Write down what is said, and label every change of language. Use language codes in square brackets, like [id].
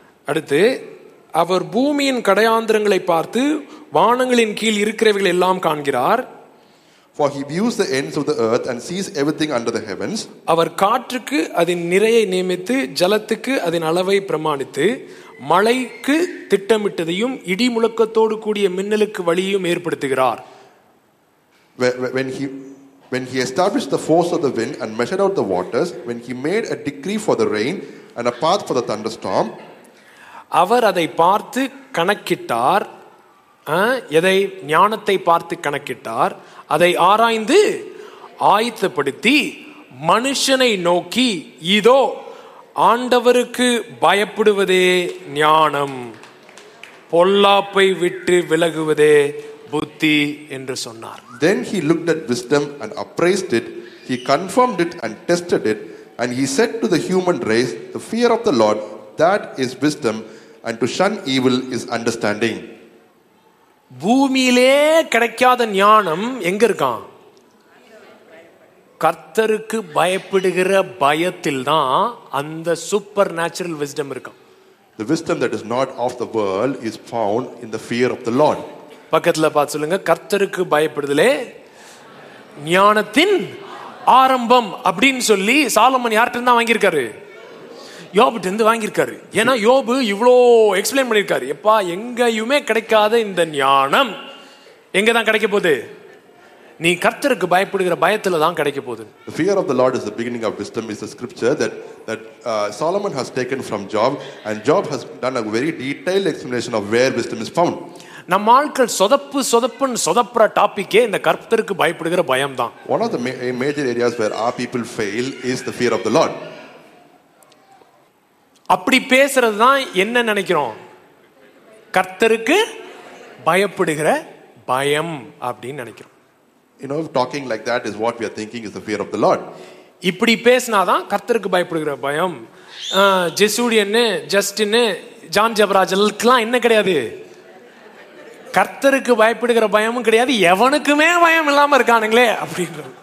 [ta] அடுத்து அவர் பூமியின் கடையாந்திரங்களை பார்த்து வானங்களின் கீழ் இருக்கிறவைகள் எல்லாம் காண்கிறார். [en] For he views the ends of the earth and sees everything under the heavens. [ta] அவர் காற்றுக்கு அதன் நிறையை நியமித்து ஜலத்துக்கு அதன் அளவை பிரமாணித்து மழைக்கு திட்டமிட்டதையும் இடி முழக்கத்தோடு கூடிய மின்னலுக்கு வழியையும் ஏற்படுத்துகிறார். [en] When he established the force of the wind and measured out the waters, when he made a decree for the rain and a path for the thunderstorm, [ta] அவர் அதை பார்த்து கணக்கிட்டார். எதை? ஞானத்தை பார்த்து கணக்கிட்டார், அதை ஆராய்ந்து ஆயத்தப்படுத்தி மனுஷனை நோக்கி இதோ ஆண்டவருக்கு பயப்படுவதே ஞானம், பொல்லாப்பை விட்டு விலகுவதே புத்தி என்று சொன்னார். [en] Then he looked at wisdom and appraised it, he confirmed it and tested it, and he said to the human race, the fear of the Lord, that is wisdom, and to shun evil is understanding. [ta] பூமியிலே கிடைக்காத ஞானம் எங்க இருக்கான்? கர்த்தருக்கு பயப்படுகிற பயத்தில் தான் அந்த [en] supernatural wisdom [ta] இருக்கும். [en] The wisdom that is not of the world is found in the fear of the Lord. [ta] பக்கத்துல பார்த்து சொல்லுங்க, கர்த்தருக்கு பயப்படுதலே ஞானத்தின் ஆரம்பம் அப்படின்னு சொல்லி சாலமன் யார்கிட்ட வாங்கியிருக்காரு? யோபுட்டு இருந்து வாங்கியிருக்காரு. ஏன்னா யோபு இவ்வளோ எக்ஸ்பிளைன் பண்ணியிருக்காரு, எப்பா எங்கேயுமே கிடைக்காத இந்த ஞானம் எங்க தான் கிடைக்க போகுது? நீ கர்த்தருக்கு பயப்படுகிற பயத்துல தான் கிடைக்க போகுது. [en] The fear of the Lord is the beginning of wisdom is the scripture that Solomon has taken from Job, and Job has done a very detailed explanation of where wisdom is found. [ta] நம்ம ஆட்கள் சொதப்பு சொதப்புன்னு சொதப்புற டாபிக்கே இந்த கர்த்தருக்கு பயப்படுகிற பயம் தான். [en] One of the major areas where our people fail is the fear of the Lord. [ta] அப்படி பேசுறது தான் என்ன நினைக்கிறோம், கர்த்தருக்கு பயப்படுகிற பயம் அப்படின்னு நினைக்கிறோம். [en] You know, talking like that is what we are thinking is the fear of the Lord. [ta] இப்படி பேசினாதான் கர்த்தருக்கு பயப்படுகிற பயம். ஜெசூடியன்னு ஜஸ்டின்னு ஜான் ஜபராஜலுக்கு எல்லாம் என்ன கிடையாது, கர்த்தருக்கு பயப்படுகிற பயமும் கிடையாது, எவனுக்குமே பயம் இல்லாம இருக்கானுங்களே அப்படின்னு.